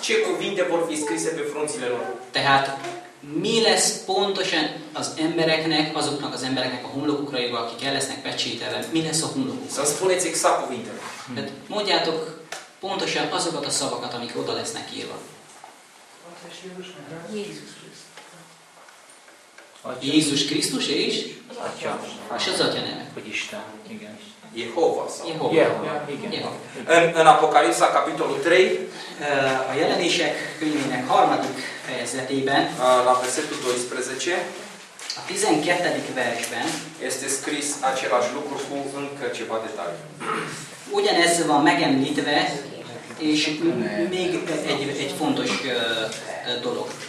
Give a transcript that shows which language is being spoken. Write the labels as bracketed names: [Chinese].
[Romanian] Ce cuvinte vor fi scrise pe frunțile lor? [Hungarian] Tehát, mi lesz pontosan az embereknek, azoknak az embereknek a homlokukra írva, akik el lesznek pecsételve? Mi lesz a homlokukra? Szóval [Romanian] spuneți exact cuvinte. [Hungarian] Tehát mondjátok pontosan azokat a szavakat, amik oda lesznek írva. Jézus Krisztus és? Atya. És az Atya neve? Hogy Isten. Igen. Jehova. Igen. [Romanian] În Apocalipsa, capitolul 3. [Hungarian] A Jelenések könyvének harmadik fejezetében. [Romanian] La versetul 12. [Hungarian] A 12. versben. [Romanian] Este scris același lucru cu încă ceva detalii. [Hungarian] Ugyanez van megemlítve, és még egy fontos dolog.